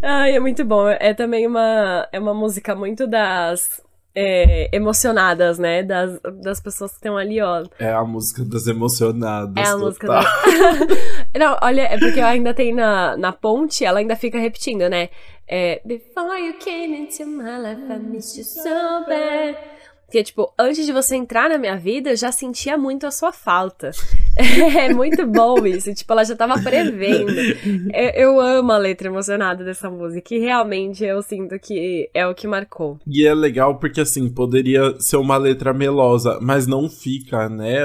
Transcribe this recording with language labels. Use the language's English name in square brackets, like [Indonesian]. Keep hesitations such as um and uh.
[Portuguese] Ai, é muito bom. É também uma, é uma música muito das é, emocionadas, né? Das, das pessoas que estão ali, ó. É a música das emocionadas. É a total. música da. Não, olha, é porque ainda tem na, na ponte, ela ainda fica repetindo, né? [English] É, Before you came into my life, I missed you so bad. [Portuguese] Porque, tipo, antes de você entrar na minha vida, eu já sentia muito a sua falta. É muito bom isso. Tipo, ela já tava prevendo. Eu, eu amo a letra emocionada dessa música. E realmente eu sinto que é o que marcou. E é legal porque, assim, poderia ser uma letra melosa, mas não fica, né?